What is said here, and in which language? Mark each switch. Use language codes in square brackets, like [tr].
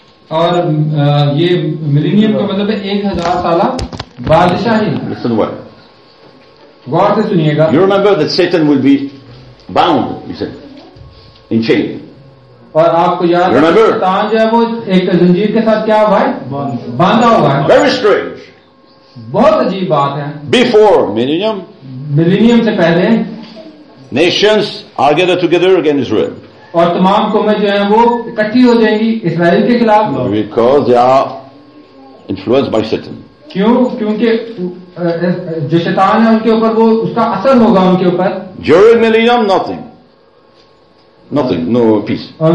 [hi] और ये millennium का मतलब है 1,000 साल बादशाही. [en] Listen well. [hi] गौर से सुनिएगा. [en] You remember that Satan will be bound, you said, in chain. [hi] और आपको याद है शैतान जो है वो एक जंजीर के साथ क्या हुआ है बांधा हुआ है. [en] Very strange. [hi] बहुत अजीब बात है. [en] Before millennium. [hi] Millennium से पहले. [en] Nations are gathered together against Israel. [hi] और तमाम कौमें जो हैं वो इकट्ठी हो जाएंगी इसराइल के खिलाफ. [en] Because they are influenced by Satan. [hi] क्यों? क्योंकि जो शैतान है उनके ऊपर वो उसका असर होगा उनके ऊपर. [en] During millennium, nothing. Nothing. No peace.